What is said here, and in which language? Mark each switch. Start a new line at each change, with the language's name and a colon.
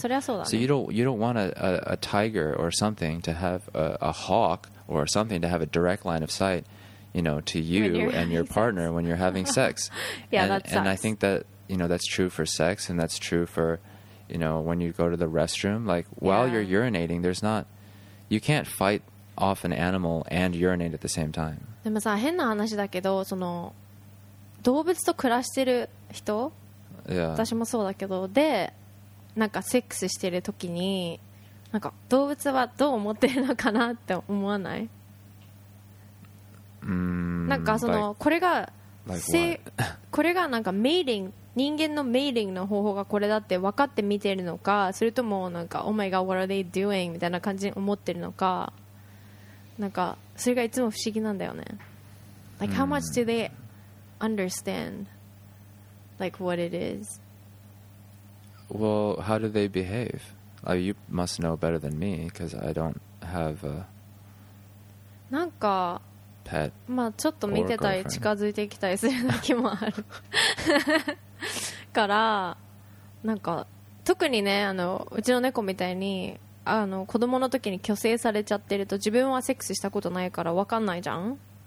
English: So you don't want a tiger or something to have a hawk or something to have a direct line of sight, you know, to you and your partner when you're having sex. Yeah, and I think that you know that's true for sex and that's true for you know when you go to the restroom. Like while you're urinating, there's not you can't fight off an animal and urinate at the same time.
Japanese: でもさ変な話だけどその動物と暮らしてる人、
English: yeah.
Japanese: 私もそうだけどでなんかセックスしてる時になんか動物はどう思ってるのかなって思わない、なんかその
English: like,
Japanese: これが、
English: like、
Japanese: これがなんかメイリング人間のメイリングの方法がこれだって分かって見てるのかそれともなんか
English: Oh my god what are they doing
Japanese: みたいな感じに思ってるのかなんかそれがいつも不思議なんだよね
English: Like how much do theyunderstand like what it is well how do they behave oh, you must know better than me because I don't have a
Japanese: なんか
English: pet.
Japanese: まあちょっと見てたり近づいてきたりする時もあるからなんか特にねあのうちの猫みたいにあの子供の時に去勢されちゃってると自分はセックスしたことないから分かんないじゃん、